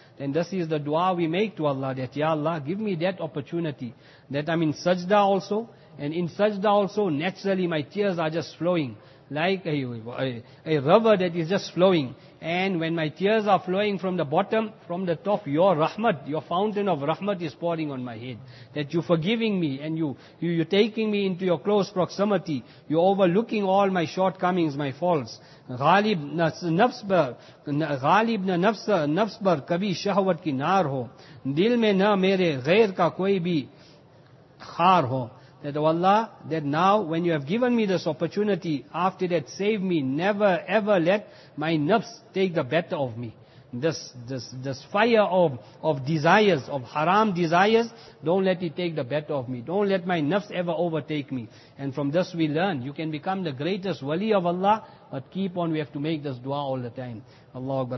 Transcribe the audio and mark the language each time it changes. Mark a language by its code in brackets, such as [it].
[en] Then this is the dua we make to Allah, that Ya Allah, give me that opportunity, that I'm in sajda also, and in sajda also, naturally my tears are just flowing, like a river that is just flowing. And when my tears are flowing from the bottom, from the top, your rahmat, your fountain of rahmat is pouring on my head. That you're forgiving me, and you're taking me into your close proximity. You're overlooking all my shortcomings, my faults. [ur] غالب نہ نفس پر کبھی شہوت کی نار ہو دل میں نہ میرے غیر کا کوئی بھی خار ہو. [en] That, oh Allah, that now when you have given me this opportunity, after that save me, never ever let my nafs take the better of me. This fire of desires, of haram desires, don't let it take the better of me. Don't let my nafs ever overtake me. And from this we learn, you can become the greatest wali of Allah, but keep on, we have to make this dua all the time. Allahu Akbar.